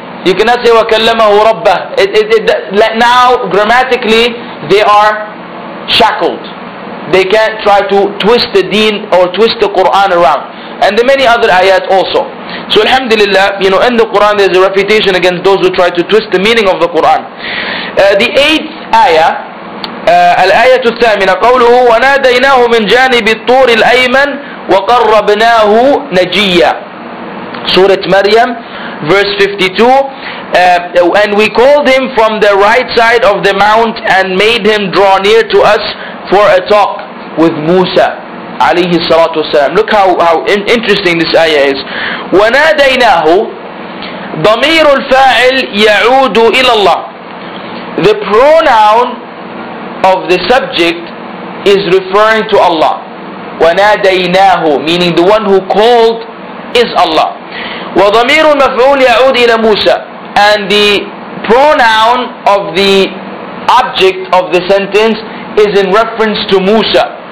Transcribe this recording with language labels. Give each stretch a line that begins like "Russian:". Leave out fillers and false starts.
English: You cannot say
Arabic: وكلمه ربه.
English: Now grammatically they are shackled. They can't try to twist the deen or twist the Quran around, and the many other ayat also. So alhamdulillah, you know, in the Quran there is a reputation against those who try to twist the meaning of the Quran. The eighth ayah,
Arabic: الآية الثامنة, قوله وناديناه من جانب الطور الأيمن وقربناه نجيا.
English: سورة مريم verse 52, and we called him from the right side of the mount and made him draw near to us for a talk with
Arabic: موسى عليه الصلاة والسلام.
English: Look how interesting this ayah is.
Arabic: وناديناه, ضمير الفاعل يعود إلى الله.
English: The pronoun of the subject is referring to Allah. وناديناه, meaning the one who called, is Allah.
Arabic: وضمير المفعول يعود إلى موسى,
English: and the pronoun of the object of the sentence is in reference to موسى.